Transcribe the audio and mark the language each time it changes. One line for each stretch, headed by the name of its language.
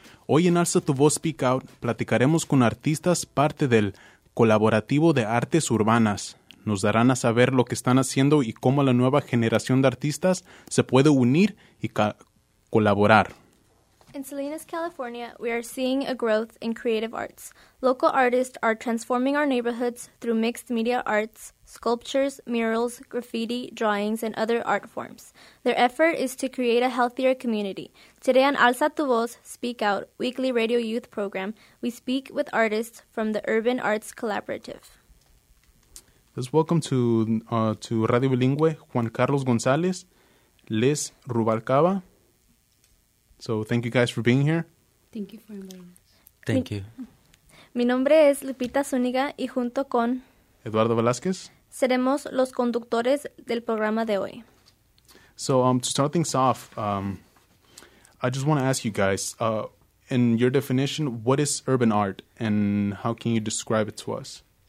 Spanish: Hoy en Alza Tu Voz Speak Out platicaremos con artistas parte del Colaborativo de Artes Urbanas. Nos darán a saber lo que están haciendo y cómo la nueva generación de artistas se puede unir y colaborar.
English: In Salinas, California, we are seeing a growth in creative arts. Local artists are transforming our neighborhoods through mixed media arts, sculptures, murals, graffiti, drawings, and other art forms. Their effort is to create a healthier community. Today on Alza Tu Voz, Speak Out, weekly radio youth program, we speak with artists from the Urban Arts Collaborative. Let's welcome to Radio Bilingüe, Juan Carlos González, Liz Rubalcaba. So thank you guys for being here. Thank you for inviting us. Thank you.
Spanish: Mi nombre es Lupita Zúñiga y junto con Eduardo Velázquez seremos los conductores del programa de hoy.
English: So to start things off, I just want to ask you guys, in your definition, what is urban art and how can you describe it to us?